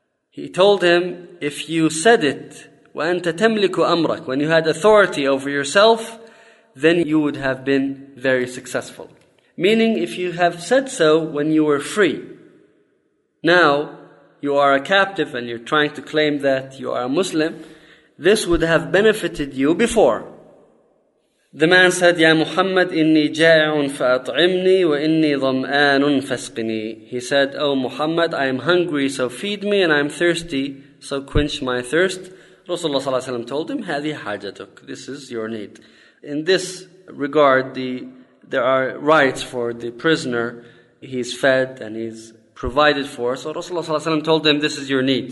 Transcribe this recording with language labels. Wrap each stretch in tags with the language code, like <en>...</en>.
<en>He told him, "If you said it,</en> <ar>وَأَنْتَ تَمْلِكُ أَمْرَكَ,</ar> <en>when you had authority over yourself, then you would have been very successful." Meaning, if you have said so when you were free, now you are a captive and you're trying to claim that you are a Muslim, this would have benefited you before. The man said, "Ya Muhammad,</en> <ar>إِنِّي جَائِعٌ فَأَطْعِمْنِي وَإِنِّي ضَمْآنٌ فَاسْقِنِي."</ar> <en>He said, "Oh Muhammad, I am hungry, so feed me, and I am thirsty, so quench my thirst." Rasulullah sallallahu alaihi wasallam told him,</en> <ar>"Hadi hajatuk,</ar> <en>this is your need. In this regard the there are rights for the prisoner. He's fed and he's provided for. So Rasulullah ﷺ told them, this is your need.</en>